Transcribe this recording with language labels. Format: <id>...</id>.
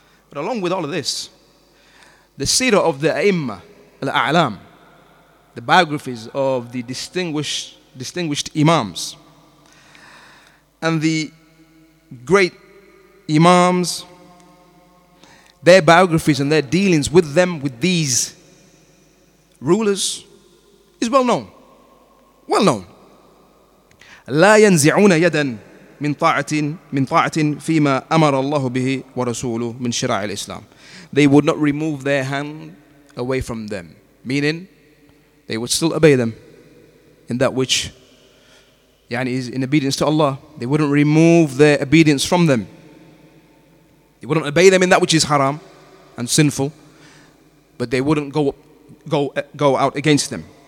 <en>But along with all of this, the seerah of the a'imma al-a'lam, the biographies of the distinguished imams and the great imams, their biographies and their dealings with them, with these rulers, is well known.</en> <ar>لا ينزعون يدا من طاعة فيما أمر الله به ورسوله من شرع الإسلام.</ar> <en>They would not remove their hand away from them, meaning they would still obey them in that which يعني is in obedience to Allah. They wouldn't remove their obedience from them. They wouldn't obey them in that which is haram and sinful, but they wouldn't go out against them.</en>